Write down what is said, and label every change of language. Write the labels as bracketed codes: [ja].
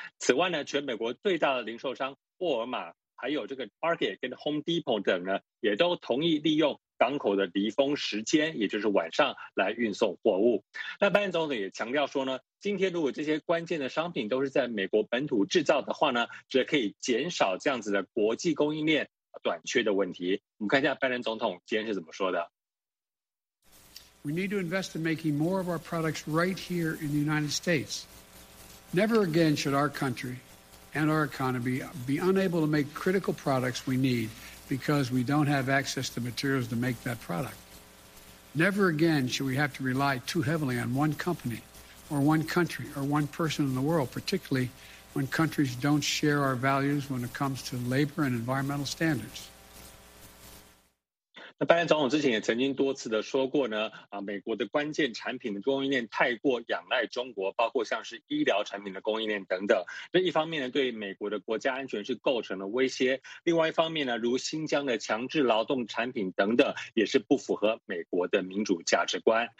[zh] 此外呢，全美国最大的零售商沃尔玛，还有这个 Target 跟 Home Depot 等呢，也都同意利用港口的离峰时间，也就是晚上来运送货物。那拜登总统也强调说呢，今天如果这些关键的商品都是在美国本土制造的话呢，则可以减少这样子的国际供应链短缺的问题。我们看一下拜登总统今天是怎么说的。 [en] We need to invest in making more of our products right here in the United States. Never again should our country and our economy be unable to make critical products we need because we don't have access to materials to make that product. Never again should we have to rely too heavily on one company or one country or one person in the world, particularly when countries don't share our values when it comes to labor and environmental standards. [zh] 那拜登总统之前也曾经多次的说过呢，美国的关键产品的供应链太过仰赖中国，包括像是医疗产品的供应链等等。这一方面呢，对美国的国家安全是构成了威胁；另外一方面呢，如新疆的强制劳动产品等等，也是不符合美国的民主价值观。